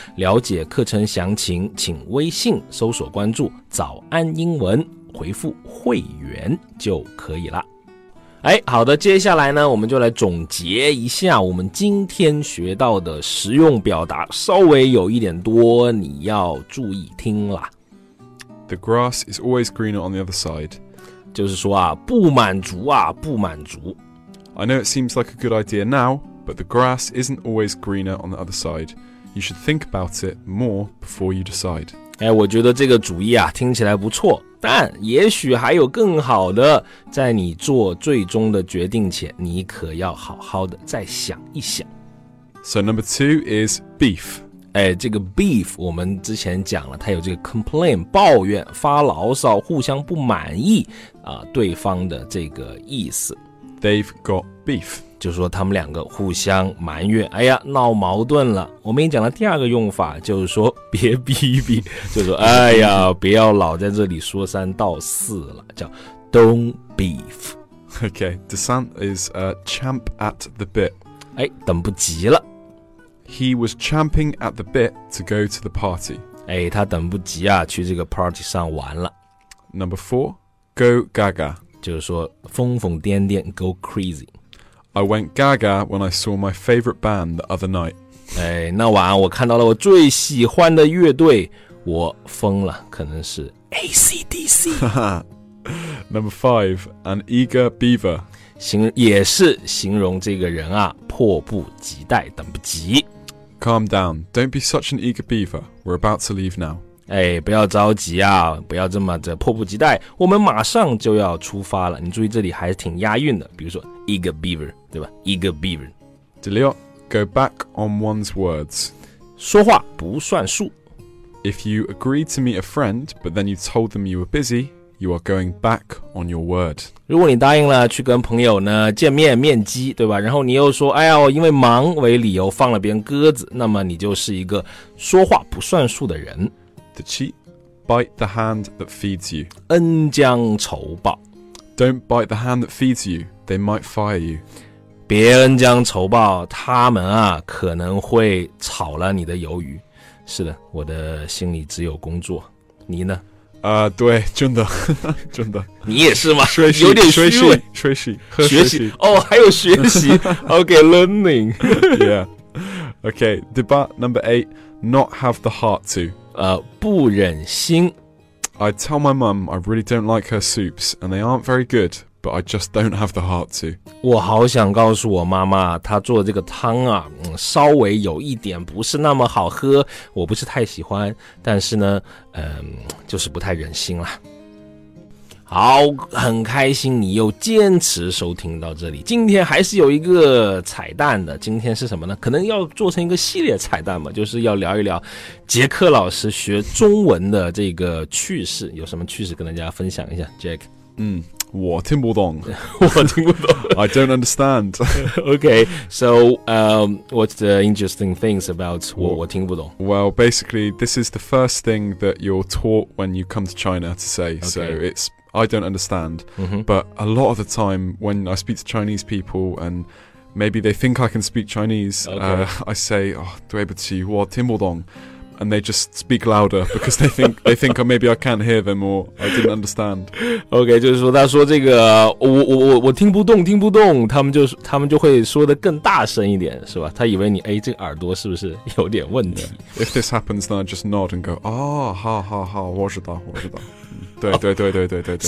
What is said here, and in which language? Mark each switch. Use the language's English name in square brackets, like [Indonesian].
[Chinese] 了解课程详情，请微信搜索关注“早安英文”。回复会员就可以了。哎，好的，接下来呢我们就来总结一下我们今天学到的实用表达，稍微有一点多，你要注意听啦。 [English] The grass is always greener on the other side. [Chinese] 就是说啊，不满足啊，不满足。 [English] I know it seems like a good idea now, but the grass isn't always greener on the other side. You should think about it more before you decide. [Chinese] 哎，我觉得这个主意啊听起来不错，但也许还有更好的，在你做最终的决定前，你可要好好的再想一想。 [English] So number two is beef. [Chinese] 哎，这个 beef 我们之前讲了，它有这个 complain 抱怨、发牢骚、互相不满意啊，对方的这个意思。 [English] They've got beef. [Chinese] 就是说他们两个互相埋怨，哎呀，闹矛盾了。我们也讲了第二个用法，就是说别逼逼，就是说哎呀，不要老在这里说三道四了，叫 [English] don't beef. Okay, Desant is a champ at the bit. [Chinese] 哎，等不及了。 [English] He was champing at the bit to go to the party. [Chinese] 哎，他等不及啊，去这个 party 上玩了。 [English] Number four, go gaga. [Chinese] 就是说疯疯癫癫 [English] go crazy. I went gaga when I saw my favorite band the other night. [Chinese] 哎，那晚我看到了我最喜欢的乐队，我疯了，可能是 AC/DC. [English] Number five, an eager beaver. [Chinese] 也是形容这个人啊，迫不及待，等不及。 [English] Calm down, don't be such an eager beaver. We're about to leave now. [Chinese] 哎，不要着急啊，不要这么的迫不及待，我们马上就要出发了。你注意这里还是挺押韵的，比如说 eager beaver, 对吧 ?eager beaver. [English] Delio, go back on one's words. [Chinese] 说话不算数。 [English] If you agreed to meet a friend, but then you told them you were busy, you are going back on your word. [Chinese] 如果你答应了去跟朋友呢见面面基，对吧，然后你又说哎呀我因为忙为理由放了别人鸽子，那么你就是一个说话不算数的人。 [English] The cheat, bite the hand that feeds you. [Chinese] 恩将仇报。 [English] Don't bite the hand that feeds you. They might fire you. [Chinese] 别恩将仇报，他们啊可能会炒了你的鱿鱼。是的，我的心里只有工作。你呢？对，真的，真的。你也是吗？有点虚伪。学习。哦，还有学习。 [English] Okay, learning. Yeah. Okay, debate number eight. Not have the heart to. [Chinese] 不忍心。 [English] I tell my mum I really don't like her soups, and they aren't very good, but I just don't have the heart to. [Chinese] 我好想告诉我妈妈，她做的这个汤啊，稍微有一点不是那么好喝，我不是太喜欢，但是呢，就是不太忍心了。好，很开心你又坚持收听到这里。今天还是有一个彩蛋的，今天是什么呢？可能要做成一个系列彩蛋嘛，就是要聊一聊杰克老师学中文的这个趣事。有什么趣事跟大家分享一下 ，Jack？我听不懂，我听不懂。 [English] I don't understand. Okay, so what's the interesting things about [Chinese] 我听不懂 [English] ？Well, basically, this is the first thing that you're taught when you come to China to say.、 Okay. So it's I don't understand,、mm-hmm. but a lot of the time when I speak to Chinese people and maybe they think I can speak Chinese,、 okay. I say, oh, [Chinese] 对不起，我听不懂 [English] and they just speak louder because they think maybe I can't hear them or I didn't understand. [Chinese] Okay, 就是说他说这个我听不懂听不懂，他们就会说的更大声一点，是吧？他以为你哎，这个耳朵是不是有点问题、 [English] yeah. If this happens, then I just nod and go, oh, [Chinese] 好好好，我知道，我知道。对对对对对对对。